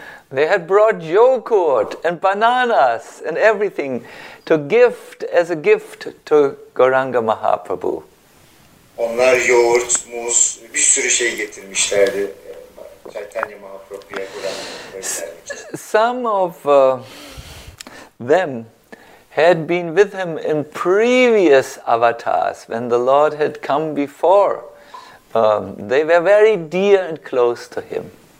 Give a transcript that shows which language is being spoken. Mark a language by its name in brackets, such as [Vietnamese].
[English] they had brought yogurt and bananas and everything to gift as a gift to Gauranga Mahaprabhu. [Turkish] Onlar yoğurt, muz, bir sürü şey getirmişlerdi Chaitanya Mahaprabhu'ya Gauranga. [English] Some of them had been with him in previous avatars when the Lord had come before. They were very dear and close to him.